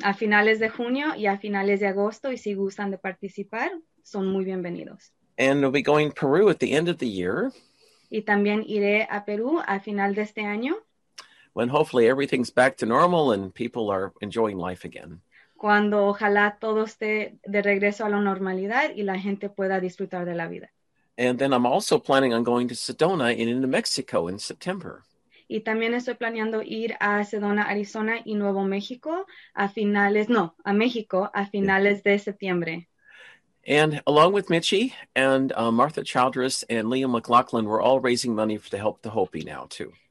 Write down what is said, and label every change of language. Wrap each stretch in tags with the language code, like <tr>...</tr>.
<es>A finales de junio y a finales de agosto, y si gustan de participar, son muy bienvenidos.</es> <en>And I'll be going to Peru at the end of the year.</en> <es>Y también iré a Perú a final de este año.</es> <en>When hopefully everything's back to normal and people are enjoying life again.</en> <es>Cuando ojalá todo esté de regreso a la normalidad y la gente pueda disfrutar de la vida.</es> <en>And then I'm also planning on going to Sedona in New Mexico in September.</en> <es>Y también estoy planeando ir a Sedona, Arizona y Nuevo México a México a finales de septiembre.</es> <en>And along with Michi and Martha Childress and Leo McLaughlin, we're all raising money to help the Hopi now too.</en>